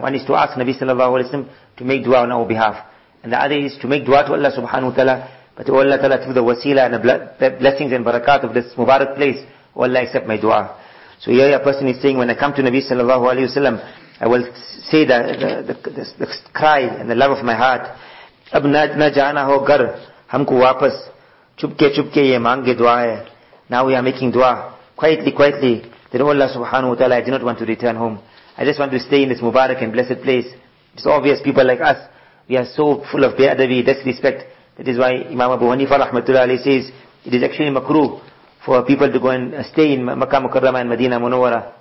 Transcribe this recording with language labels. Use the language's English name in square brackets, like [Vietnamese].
[English] One is to ask Nabi sallallahu alayhi wa sallam to make du'a on our behalf. And the other is to make du'a to Allah subhanahu wa ta'ala. But O Allah ta'ala, through the wasila and the blessings and barakat of this mubarak place, O Allah, accept my du'a. So here a person is saying, when I come to Nabi sallallahu alayhi wa sallam, I will say the cry and the love of my heart. [Urdu] اب نہ جانا ہو گھر ہم کو واپس, چپکے چپکے یہ مانگے دعا ہے. [English] Now we are making dua quietly, quietly. Then Allah subhanahu wa ta'ala, I do not want to return home. I just want to stay in this Mubarak and blessed place. It's obvious people like us, we are so full of bi'adabi, disrespect. That is why Imam Abu Hanifa rahmatullah alayhi says, it is actually makruh for people to go and stay in Makkah Mukarramah and Medina Munawwara.